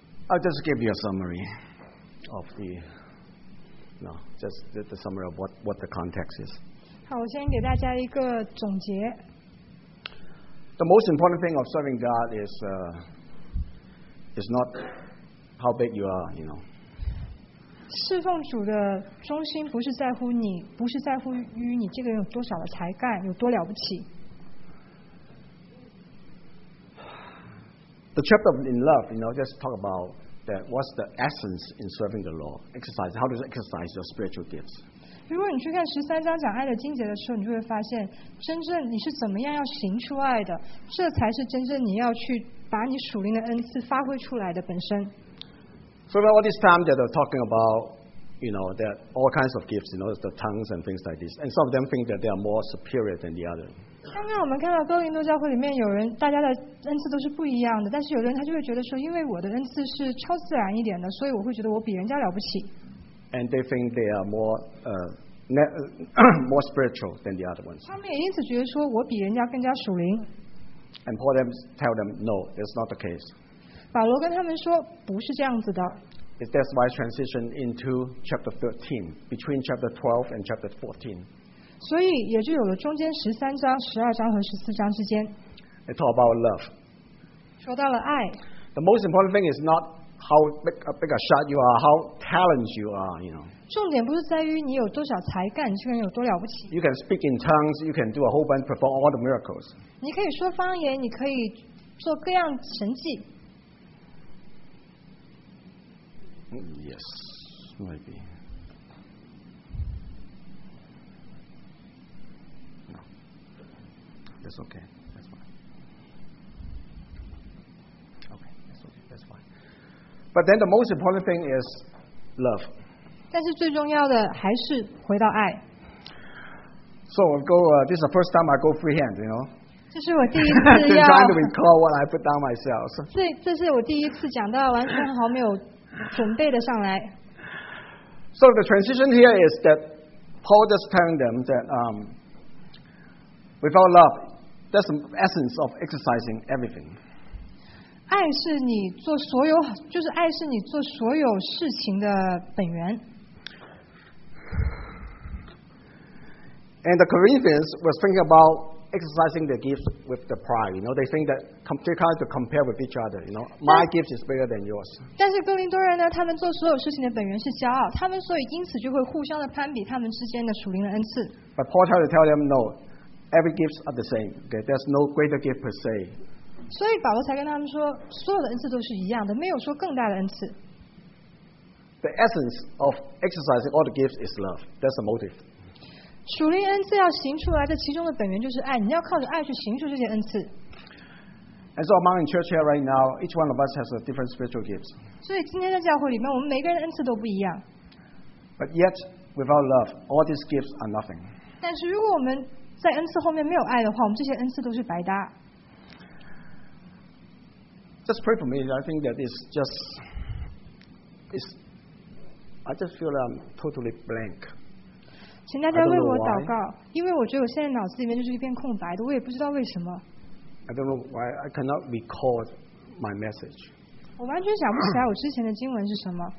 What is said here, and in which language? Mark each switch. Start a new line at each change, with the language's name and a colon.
English: I'll just give you a summary of the, the summary of what the context is.
Chinese: 好，我先给大家一个总结。
English: The most important thing of serving God is not how big you are, you know.
Chinese: 侍奉主的中心不是在乎你，不是在乎于你这个人有多少的才干，有多了不起。
English: The chapter in love, you know, just talk about. That what's the essence in serving the Lord? Exercise. How does it exercise your spiritual gifts?
Chinese: 如果你去看十三章讲爱的经节的时候，你就会发现，真正你是怎么样要行出爱的，这才是真正你要去把你属灵的恩赐发挥出来的本身。
English: So about all this time that they're talking about, you know, that all kinds of gifts, you know, the tongues and things like this, and some of them think that they are more superior than the other.
Chinese: 刚刚我们看到哥林多教会里面有人，大家的恩赐都是不一样的，但是有的人他就会觉得说，因为我的恩赐是超自然一点的，所以我会觉得我比人家了不起。
English: And they think they are more spiritual than the other ones.
Chinese: 他们也因此觉得说我比人家更加属灵。
English: And Paul tell them, no, that's not the case.
Chinese: 保罗跟他们说不是这样子的。
English: That's why transition into chapter 13, between chapter 12 and chapter 14.
Chinese: 所以也就有了中间十三章、十二章和十四章之间。
English: It's all about love.
Chinese: 说到了爱。
English: The most important thing is not how big a shot you are, how talented you are, you know.
Chinese: 重点不是在于你有多少才干，你这个人有多了不起。
English: You can speak in tongues, you can do a whole bunch, perform all the miracles.
Chinese: 你可以说方言，你可以做各样神迹。
English: Yes, maybe. That's okay. That's fine. Okay. That's okay. That's fine. But then the most important thing is love.
Chinese: 但是最重要的还是回到爱。
English: So I'll go. This is the first time I go freehand. You know.
Chinese: 这是我第一次要。
English: Trying to recall what I put down myself.
Chinese: 这是我第一次讲到完全毫没有准备的上来。
English: So the transition here is that Paul just telling them that without love. That's the essence of exercising everything.
Chinese: 爱是你做所有，就是爱是你做所有事情的本源。
English: And the Corinthians was thinking about exercising their gifts with the pride. You know, they think that they try to compare with each other. You know, my gift is bigger than yours.
Chinese: 但是哥林多人呢，他们做所有事情的本源是骄傲，他们所以因此就会互相的攀比他们之间的属灵的恩赐。
English: But Paul tried to tell them no. Every gifts are the same. Okay, there's no greater gift per se.
Chinese: 所以保罗才跟他们说，所有的恩赐都是一样的，没有说更大的恩赐。
English: The essence of exercising all the gifts is love. That's the motive.
Chinese: 属灵恩赐要行出来的其中的本源就是爱，你要靠着爱去行出这些恩赐。
English: And so among in church here right now, each one of us has a different spiritual gifts.
Chinese: 所以今天在教会里面，我们每个人的恩赐都不一样。
English: But yet, without love, all these gifts are nothing.
Chinese: 但是如果我们在恩赐后面没有爱的话，我们这些恩赐都是白搭。
English: Just pray for me. I think that I just feel I'm totally blank.
Chinese: 请大家为我祷告，因为我觉得我现在脑子里面就是一片空白的，我也不知道为什么。
English: I don't know why I cannot recall my message.
Chinese: 我完全想不起来我之前的经文是什么。